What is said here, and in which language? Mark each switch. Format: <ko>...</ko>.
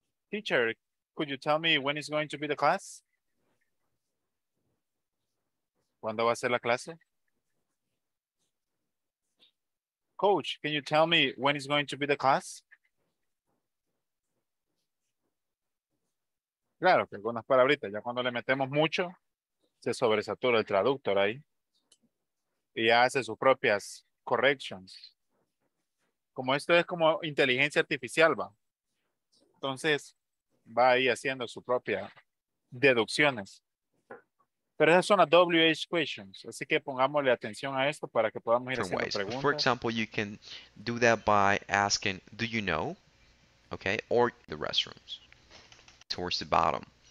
<en>Teacher, could you tell me when is going to be the class?</en> <es>¿Cuándo va a ser la clase?</es> <en>Coach, can you tell me when is going to be the class?</en> <es>Claro, que algunas palabritas, ya cuando le metemos mucho, se sobresatura el traductor ahí. Y hace sus propias corrections. Como esto es como inteligencia artificial, va. Entonces, va ahí haciendo sus propias deducciones. Pero esas son las WH questions. Así que pongámosle atención a esto para que podamos ir haciendo preguntas.</es> <en>For example, you can do that by asking, do you know? Okay, or the restrooms. Towards the bottom.</en>